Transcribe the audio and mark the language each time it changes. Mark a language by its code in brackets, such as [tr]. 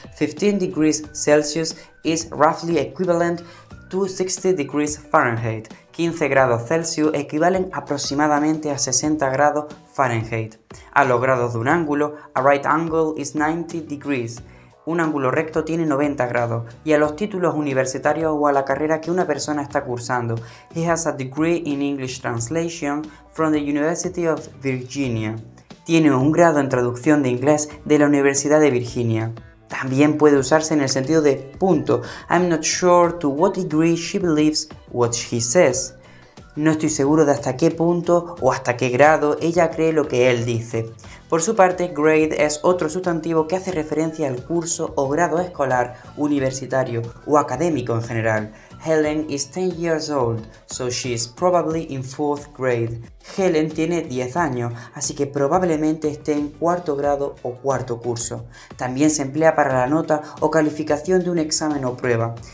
[en] 15 degrees Celsius is roughly equivalent to 60 degrees Fahrenheit. [es] 15 grados Celsius equivalen aproximadamente a 60 grados Fahrenheit. A los grados de un ángulo, [en] a right angle is 90 degrees. [es] Un ángulo recto tiene 90 grados, y a los títulos universitarios o a la carrera que una persona está cursando. [en] He has a degree in English translation from the University of Virginia. [es] Tiene un grado en traducción de inglés de la Universidad de Virginia. También puede usarse en el sentido de punto. [en] I'm not sure to what degree she believes what he says. [es] No estoy seguro de hasta qué punto o hasta qué grado ella cree lo que él dice. Por su parte, grade es otro sustantivo que hace referencia al curso o grado escolar, universitario o académico en general. [en] Helen is 10 years old, so she is probably in 4th grade. [es] Helen tiene 10 años, así que probablemente esté en cuarto grado o cuarto curso. También se emplea para la nota o calificación de un examen o prueba.